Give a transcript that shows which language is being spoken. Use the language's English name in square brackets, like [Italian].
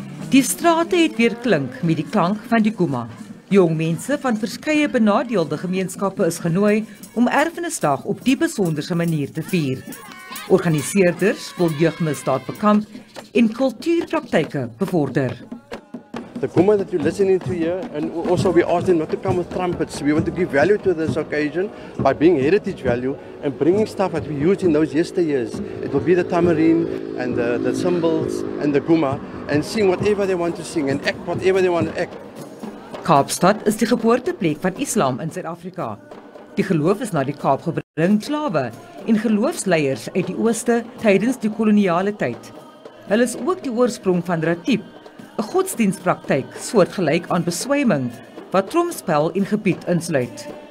[Afrikaans] Die strate het weer klink met die klank van die kuma. Jong mense van verskeie benadeelde gemeenskappe is genooi om Erfenisdag op die besonderse manier te vier. Organiseerders wil jeugmisdaad bekamp en kultuurpraktyke bevorder. [English] The comment that you're listening to here, and also we asked them not to come with trumpets. We want to give value to this occasion by being heritage value and bringing stuff that we used in those yesteryears. It will be the tamarind and the cymbals and the guma, and sing whatever they want to sing and act whatever they want to act. [Afrikaans] Kaapstad is die geboorteplek van Islam in Suid-Afrika. Die geloof is na die Kaap gebring, slawe en geloofsleiers uit die ooste tydens die koloniale tyd. Hulle is ook die oorsprong van ratib, 'n godsdienstpraktyk soortgelyk aan beswyming wat tromspel en gebed insluit.